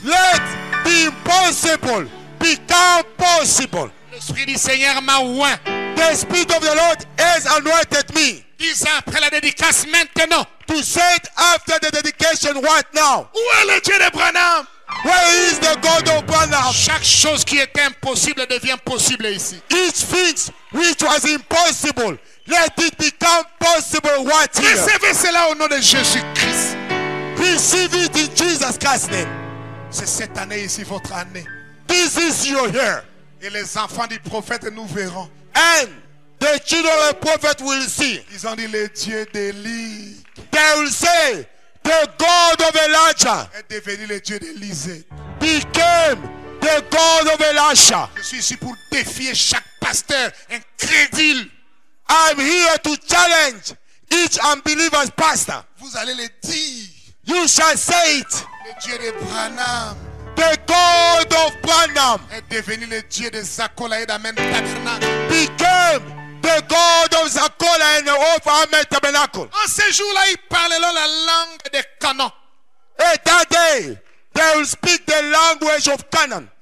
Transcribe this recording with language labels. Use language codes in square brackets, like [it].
[en] Let the impossible become possible. [fr] L'Esprit du Seigneur m'a oint. [en] The Spirit of the Lord has anointed me. [fr] 10 ans après la dédicace maintenant. [en] To say it after the dedication right now. [fr] Où est le Dieu de Branham? [en] Where is the God of Branham? [fr] Chaque chose qui était impossible devient possible ici. [en] Each thing which was impossible, let it become possible right here. [fr] Recevez cela au nom de Jésus-Christ. [en] Receive it in Jesus Christ's name. [fr] C'est cette année ici votre année. [en] This is your year. [fr] Et les enfants du prophète nous verront. [en] And the children of the prophet will see. [fr] Ils ont dit le Dieu d'Élie. [en] They will say the God of Elijah. [fr] Est devenu le Dieu d'Élisée. [en] Became the God of Elijah. [fr] Je suis ici pour défier chaque pasteur incrédule. [en] I'm here to challenge each unbeliever's pastor. [fr] Vous allez le dire. [en] You shall say it. [fr] Le Dieu de Branham. [en] The God of Branham. [fr] Est devenu le Dieu de Zakola et d'Amen Tabernacle. [en] Became the God of Zakola and the of Amen Tabernacle. [fr] En ces jours-là, ils parleront la langue de Canaan. [en] And that day, they will speak the language of Canaan.